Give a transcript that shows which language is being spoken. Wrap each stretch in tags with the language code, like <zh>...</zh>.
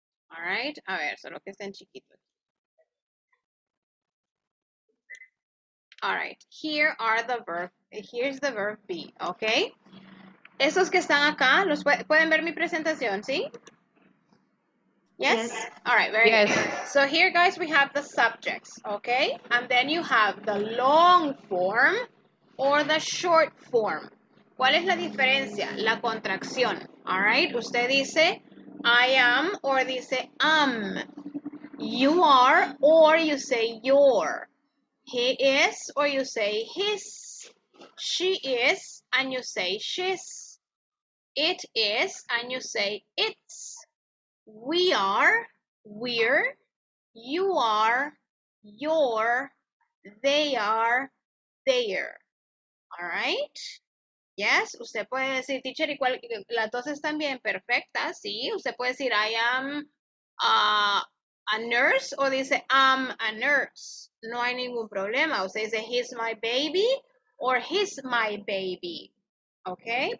<es>All right, a ver, solo que estén chiquitos.</es> <en>All right, here are the verb. Here's the verb be, okay?</en> <es>Esos que están acá, los pueden ver mi presentación, ¿sí?</es> <en>Yes? All right, very good. So here, guys, we have the subjects, okay? And then you have the long form or the short form.</en> <es>¿Cuál es la diferencia? La contracción, all right? Usted dice, I am, or dice, am.</es> <en>You are, or you say, your. He is, or you say, his. She is, and you say, she's. It is, and you say, it's. We are, we're, you are, you're, they are, they're. All right?</en> <es>Yes, usted puede decir, teacher, y cual, las dos están bien perfectas, sí. Usted puede decir,</es> <en>I am a nurse,</en> <es>o dice,</es> <en>I'm a nurse.</en> <es>No hay ningún problema. Usted dice,</es> <en>he's my baby, or he's my baby. Okay?</en>